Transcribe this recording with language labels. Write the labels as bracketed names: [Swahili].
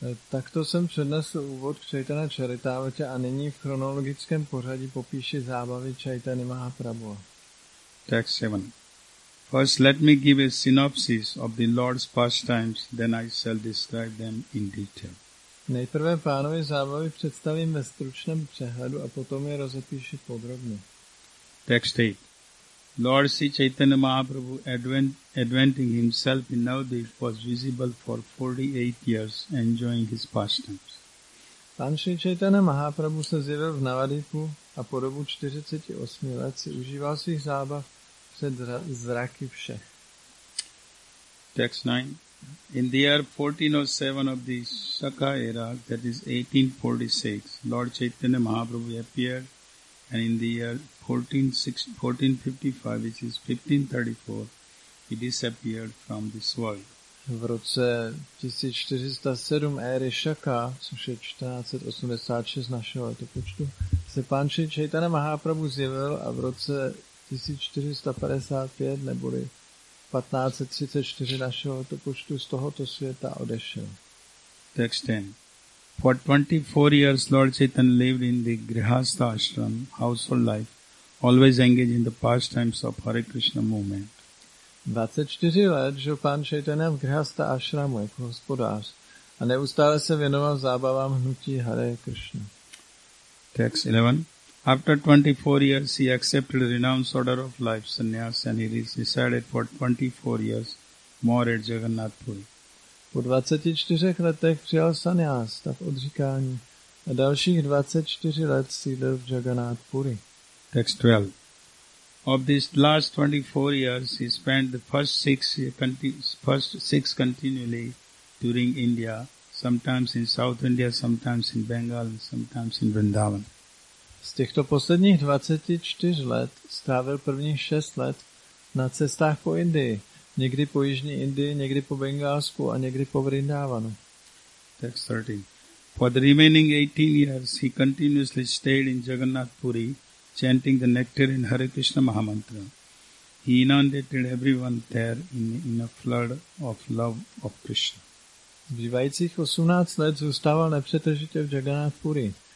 [Czech] Takto jsem přednesl úvod k Chaitanya Charitamritě a nyní v chronologickém pořadí popíši zábavy Chaitany Mahaprabhu. [English] Text 7. First let me give a synopsis of the Lord's pastimes, then I shall describe them in detail. [Czech] Nejprve pánovi zábavy představím ve stručném přehledu a potom je rozepíši podrobně. [English] Text 8. Lord Sri Chaitanya Mahaprabhu adventing himself in Navadvip was visible for 48 years enjoying his pastimes. [Czech] Pan Sri Chaitanya Mahaprabhu se zjevil v Navadvipu a po dobu 48 let si užíval svých zábav před zraky všech. [English] Text 9. In the year 1407 of the Shaka era, that is 1846, Lord Chaitanya Mahaprabhu appeared, and in the year 1455, which is 1534, he disappeared from this world. [Czech] V roce 1407 éry Shaka, což je 1486 našeho letopočtu, se pán Sri Chaitanya Mahaprabhu zjevil a v roce 1455, neboli 1534 našeho letopočtu, z tohoto světa odešel. [English] Text 10. For 24 years, Lord Chaitanya lived in the Grihastha Ashram, household life, always engaged in the pastimes of Hare Krishna movement. [Czech] 24 let žil pán Chaitanya v Grihastha Ashramu jako hospodář a neustále se věnoval zábavám hnutí Hare Krishna. [English] Text 11. After 24 years, he accepted the renounced order of life, sannyas, and he resided for 24 years more at Jagannath Puri. [Czech] Po 24 letech přijal sannyas, stav odříkání, a dalších 24 let sídlil v Jagannath Puri. [English] Text 12. Of these last 24 years, he spent the first six continually touring India, sometimes in South India, sometimes in Bengal, and sometimes in Vrindavan. [Czech] Z těchto posledních 24 let strávil prvních 6 let na cestách po Indii. Někdy po jižní Indii, někdy po Bengálsku a někdy po Vrindávanu. [English] Text 13. For the remaining 18 years, he continuously stayed in Jagannath Puri, chanting the nectar in Hare Krishna Mahamantra. He inundated everyone there in a flood of love of Krishna. [Czech] Zbývajících 18 let zůstával nepřetržitě v Jagannath Puri.